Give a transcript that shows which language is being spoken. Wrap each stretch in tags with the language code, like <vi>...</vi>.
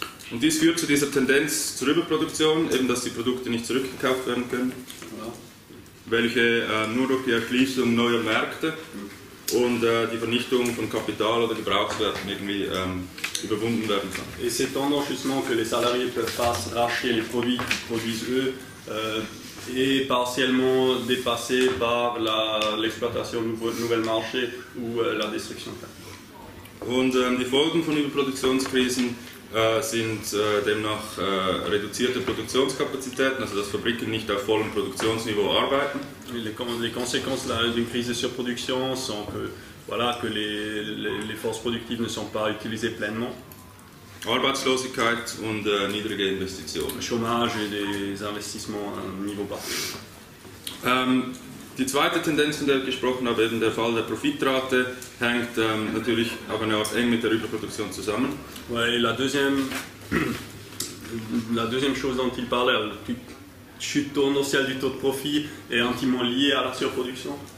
<de>Und dies führt zu dieser Tendenz zur Überproduktion, eben dass die Produkte nicht zurückgekauft werden können. Welche nur durch die Erschließung neuer Märkte und die Vernichtung von Kapital oder Gebrauchswerten irgendwie überwunden werden kann.</de> <fr>Et cette tendance justement que les salariés peuvent pas racheter les produits qu'ils produisent eux est partiellement dépassée par l'exploitation nouvel marché ou la destruction.</fr> <de>Und die Folgen von Überproduktionskrisen sind demnach reduzierte Produktionskapazitäten, also dass Fabriken nicht auf vollem Produktionsniveau arbeiten.</de> <fr>Les conséquences d'une crise de surproduction sont que, voilà, que les forces productives ne sont pas utilisées pleinement.</fr> <de>Arbeitslosigkeit und niedrige Investitionen.</de> <fr>Chômage et des investissements à niveau bas.</fr> <de>Die zweite Tendenz, von der ich gesprochen habe, eben der Fall der Profitrate, hängt natürlich auf eine Art eng mit der Überproduktion zusammen.</de> <fr>Ouais, la deuxième chose dont il parle, la chute tendancielle du taux de profit est intimement liée à la surproduction.</fr>